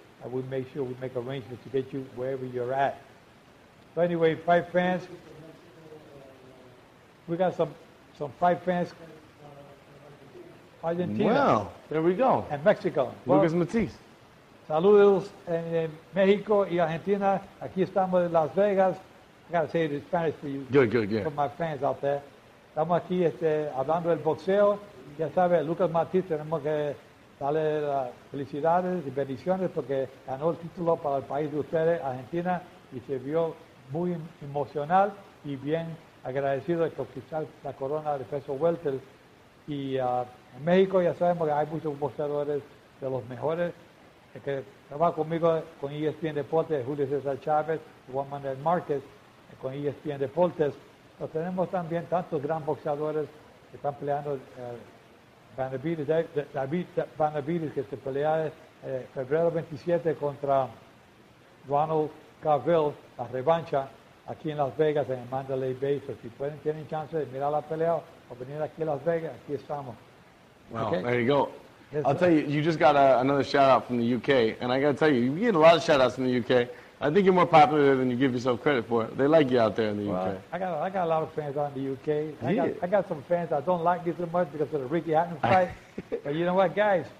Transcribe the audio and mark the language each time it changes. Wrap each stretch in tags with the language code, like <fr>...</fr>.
<en>And we'll make sure we make arrangements to get you wherever you're at. But anyway, fight fans, we got some fight fans, Argentina. Well, there we go. And Mexico. Lucas Matisse.</en> <es>Saludos en Mexico y Argentina. Aquí estamos en Las Vegas.</es> <en>I got to say it in Spanish for you. Good. For my fans out there. Estamos aquí hablando del boxeo.</en> <es>Ya sabes, Lucas Matisse, tenemos que darle felicidades y bendiciones porque ganó el título para el país de ustedes, Argentina, y se vio muy emocional y bien agradecido de conquistar la corona de peso welter. Y en México ya sabemos que hay muchos boxeadores de los mejores. El que trabaja conmigo con ESPN Deportes, Julio César Chávez, Juan Manuel Márquez, con ESPN Deportes. Pero tenemos también tantos gran boxeadores que están peleando. David Benavides, que se pelea febrero 27 contra Ronald Carville, La Revancha, aquí en Las Vegas, en Mandalay Bay. So si pueden, tienen chance de mirar la pelea o venir aquí a Las Vegas, aquí estamos.</es> <en>Well, okay? There you go. Yes, I'll tell you, you just got another shout-out from the U.K., and I got to tell you, you get a lot of shout-outs from the U.K. I think you're more popular than you give yourself credit for. They like you out there in the U.K. I got a lot of fans out in the U.K. I got some fans that don't like me so much because of the Ricky Hatton fight. But you know what, guys?</en>